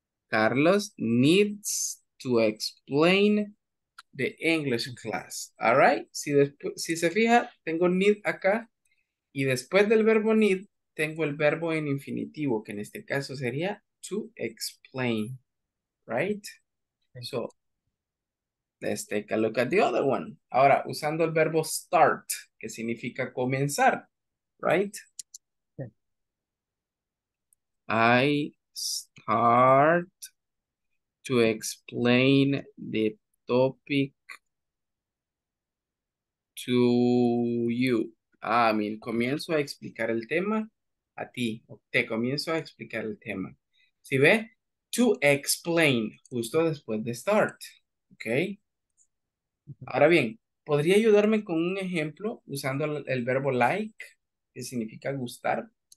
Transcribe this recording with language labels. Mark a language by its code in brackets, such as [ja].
[en] Carlos needs to explain the English class, all right? [es] Si se fija, tengo need acá, y después del verbo need, tengo el verbo en infinitivo, que en este caso sería to explain, right? [en] So, let's take a look at the other one. [es] Ahora, usando el verbo start, que significa comenzar, right? [en] Okay. I start to explain the topic to you. [es] Ah, mil, comienzo a explicar el tema a ti. Te comienzo a explicar el tema. ¿Sí ve? [en] To explain, [es] justo después de start. ¿Ok? Ahora bien, ¿podría ayudarme con un ejemplo usando el verbo like, que significa gustar?